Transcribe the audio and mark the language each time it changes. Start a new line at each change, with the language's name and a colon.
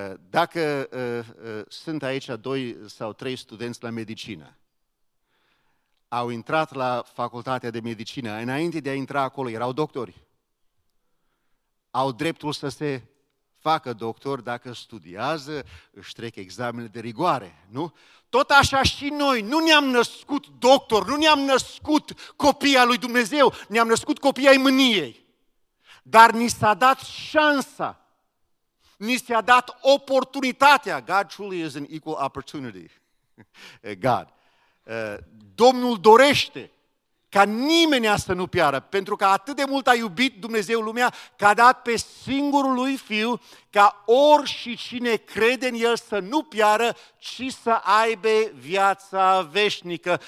Romanian: Dacă sunt aici doi sau trei studenți la medicină, au intrat la facultatea de medicină, înainte de a intra acolo erau doctori, au dreptul să se facă doctor dacă studiază, își trec examenele de rigoare, nu? Tot așa și noi, nu ne-am născut doctor, nu ne-am născut copii al lui Dumnezeu, ne-am născut copii ai mâniei, dar ni s-a dat șansa, ni s-a dat oportunitatea.
English: God truly is an equal opportunity, God.
Romanian: Domnul dorește ca nimeni să nu piară, pentru că atât de mult a iubit Dumnezeu lumea, că a dat pe singurul lui Fiu, ca ori și cine crede în El să nu piară, ci să aibă viața veșnică.